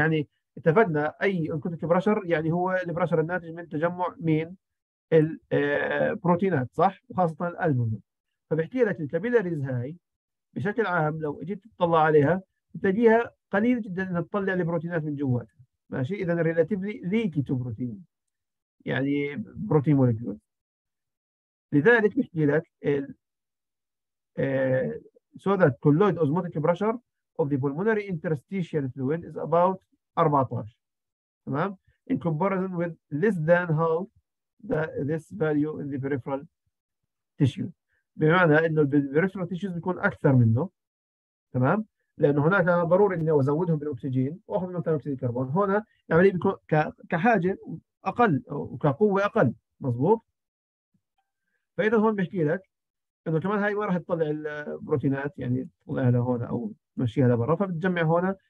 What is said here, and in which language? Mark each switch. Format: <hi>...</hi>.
<ar>يعني اتفقنا اي اوزموتيك بريشر يعني هو البريشر الناتج من تجمع مين؟ البروتينات، صح؟ وخاصة الألبومين. فبحكي لك الكابيلاريز هاي بشكل عام لو اجيت تطلع عليها بتلاقيها قليل جدا انها تطلع البروتينات من جواتها، ماشي؟ اذا</ar> <en>relatively leaky to protein</en> <ar>يعني بروتين مولكيول. لذلك بحكي لك ال</ar> <en>so that colloid osmotic pressure of the pulmonary interstitial fluid is about 14، تمام؟ in comparison with less than half this value in the peripheral tissue.</en> <ar>بمعنى انه البريفرال تيشوز بيكون اكثر منه، تمام؟ لانه هناك انا ضروري اني ازودهم بالاكسجين واخذ منهم ثاني اكسيد الكربون، هنا العمليه بيكون كحاجه اقل وكقوه اقل، مضبوط؟ فاذا هون بحكي لك انه كمان هاي ما راح تطلع البروتينات يعني تطلعها لهون او تمشيها لبرا، فبتجمع هون</ar>